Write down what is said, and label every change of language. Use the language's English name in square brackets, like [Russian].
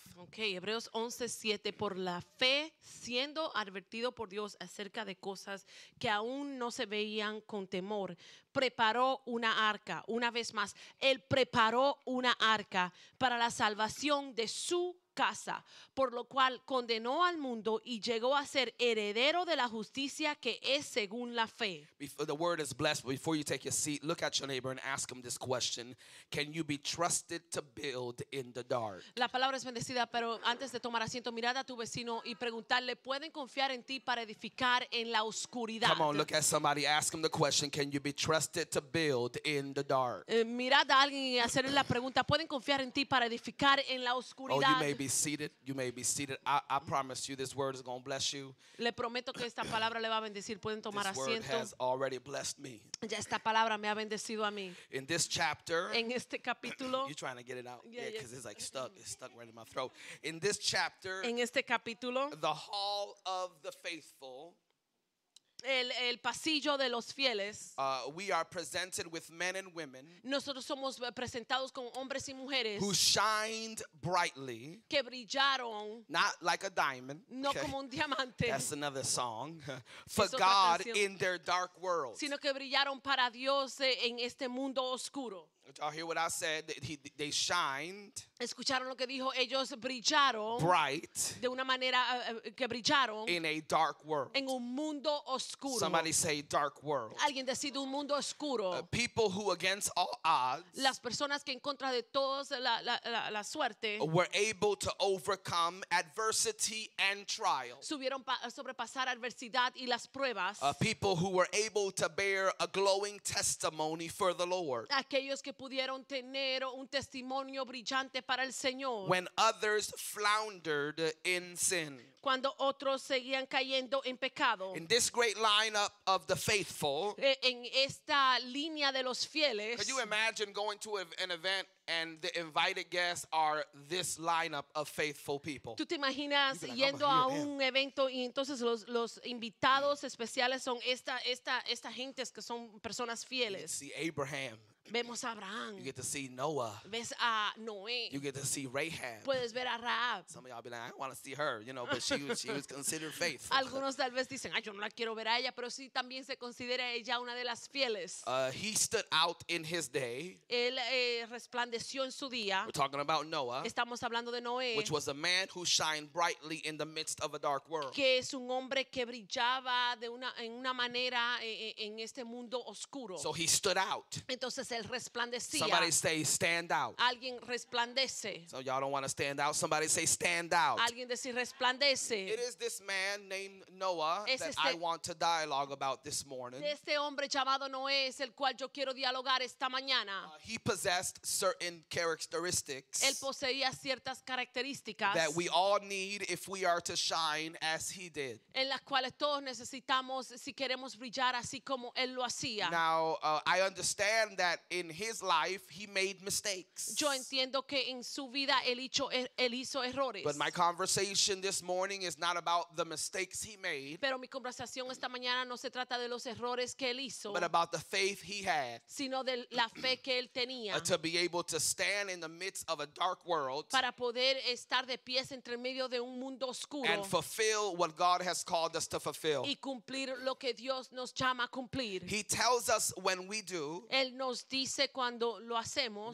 [Spanish] Okay, Hebreos 11:7, por la fe, siendo advertido por Dios acerca de cosas que aún no se veían con temor, preparó una arca. Una vez más, él preparó una arca para la salvación de su casa, por lo cual condenó al mundo y llegó a ser heredero de la justicia que es según la fe. [English] Before the word is blessed, before you take your seat, look at your neighbor and ask him this question: can you be trusted to build in the dark? [Spanish] La palabra es bendecida, pero antes de tomar asiento, mirad a tu vecino y preguntarle: ¿pueden confiar en ti para edificar en la oscuridad? [English] Come on, look at somebody, ask him the question: can you be trusted to build in the dark? [Spanish] Mirad a alguien y hacerle la pregunta: ¿pueden confiar en ti para edificar en la oscuridad? [English] Oh, be seated. You may be seated. I promise you, this word is going to bless you. [Spanish] Le prometo que esta palabra le va a bendecir. Pueden tomar asiento. [English] This word has already blessed me. [Spanish] Ya esta palabra me ha bendecido a mí. [English] In this chapter. [Spanish] En este capítulo. [English] You're trying to get it out. Yeah, because it's like stuck. It's stuck right in my throat. In this chapter. [Spanish] En este capítulo. [English] The hall of the faithful. [Spanish] El pasillo de los fieles. [English] We are presented with men and women. [Spanish] Nosotros somos presentados con hombres y mujeres. [English] Who shined brightly. [Spanish] Que brillaron. [English] Not like a diamond. [Spanish] No okay. Como un diamante. [English] That's another song. For God in their dark world. [Spanish] Sino que brillaron para Dios en este mundo oscuro. [English] Y'all hear what I said? They shined. [Spanish] Escucharon lo que dijo. Ellos brillaron. [English] Bright. [Spanish] De una manera que brillaron. [English] In a dark world. [Spanish] En un mundo oscuro. [English] Somebody say dark world. [Spanish] Alguien decide un mundo oscuro. [English] People who against all odds. [Spanish] Las personas que en contra de todos la suerte. [English] Were able to overcome adversity and trial. [Spanish] Subieron sobrepasar adversidad y las pruebas. [English] People who were able to bear a glowing testimony for the Lord. [Spanish] Aquellos que pudieron tener un testimonio brillante. Para el Señor. [English] When others floundered in sin. [Spanish] Cuando otros seguían cayendo en pecado. [English] In this great lineup of the faithful. [Spanish] En esta línea de los fieles. [English] Could you imagine going to an event and the invited guests are this lineup of faithful people? [Spanish] ¿Tú te imaginas yendo a un evento y entonces los invitados especiales son esta gente que son personas fieles? [English] See Abraham. [Spanish] Vemos a Abraham. [English] You get to see Noah. [Spanish] Ves a Noé. [English] You get to see Rahab. [Spanish] Puedes ver a Rahab. [English] Some of y'all be like, I want to see her, you know, but she was considered faithful. [Spanish] Algunos tal vez dicen, ay, yo no la quiero ver a ella, pero sí también se considera ella una de las fieles. [English] He stood out in his day. [Spanish] Él resplandeció en su día. [English] We're talking about Noah. [Spanish] Estamos hablando de Noé. [English] Which was a man who shined brightly in the midst of a dark world. [Spanish] Que es un hombre que brillaba de una en una manera en este mundo oscuro. [English] So he stood out. [Spanish] Entonces [English] somebody say stand out. [Spanish] Alguien resplandece. [English] So y'all don't want to stand out. Somebody say stand out. [Spanish] Alguien dice resplandece. [English] It is this man named Noah that I want to dialogue about this morning. [Spanish] Este hombre llamado Noé es el cual yo quiero dialogar esta mañana. [English] He possessed certain characteristics. [Spanish] Él poseía ciertas características. [English] That we all need if we are to shine as he did. [Spanish] En las cuales todos necesitamos si queremos brillar así como él lo hacía. [English] Now I understand that. That in his life he made mistakes. [Spanish] Yo entiendo que en su vida él hizo errores. [English] But my conversation this morning is not about the mistakes he made. [Spanish] Pero mi conversación esta mañana no se trata de los errores que él hizo. [English] But about the faith he had. [Spanish] Sino de la fe que él tenía. [English] To be able to stand in the midst of a dark world [Spanish] para poder estar de pie entre medio de un mundo oscuro [English] and fulfill what God has called us to fulfill. [Spanish] Y cumplir lo que Dios nos llama a cumplir. [English] He tells us when we do, [Spanish] Él nos dice cuando lo hacemos,